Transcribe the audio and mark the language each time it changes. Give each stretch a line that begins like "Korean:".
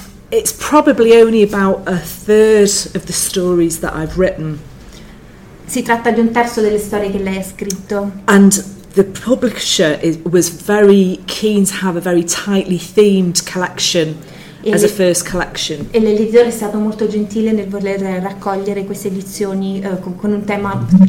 English: It's probably only about a third of the stories that I've written.
Italian: Si tratta di un terzo delle storie che lei ha scritto.
English: And the publisher was very keen to have a very tightly themed collection as a first collection.
Italian: E l'editore è stato molto gentile nel voler raccogliere queste edizioni con un tema.